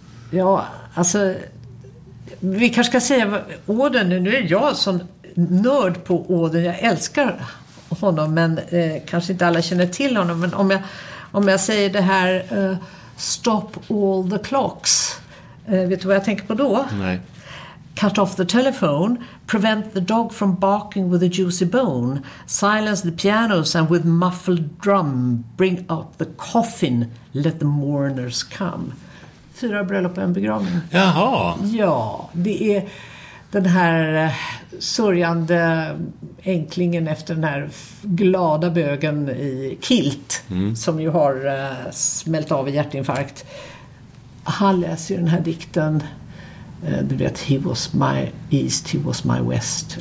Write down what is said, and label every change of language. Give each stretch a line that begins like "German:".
Swedish: Ja, alltså, vi kanske ska säga Auden. Nu är jag som nörd på Auden. Jag älskar honom, men kanske inte alla känner till honom, men om jag säger det här
English: stop all the clocks,
Swedish: vet du vad jag tänker på då? Nej.
English: Cut off the telephone, prevent the dog from barking with a juicy bone, silence the pianos and with muffled drum bring out the coffin, let the mourners come.
Swedish: Fyra bröllop och en begravning. Jaha. Ja, det är den här sörjande enklingen efter den här glada bögen i kilt, som ju har smält av i hjärtinfarkt. Han läser ju den här dikten, du vet,
English: He was my east, he was my west.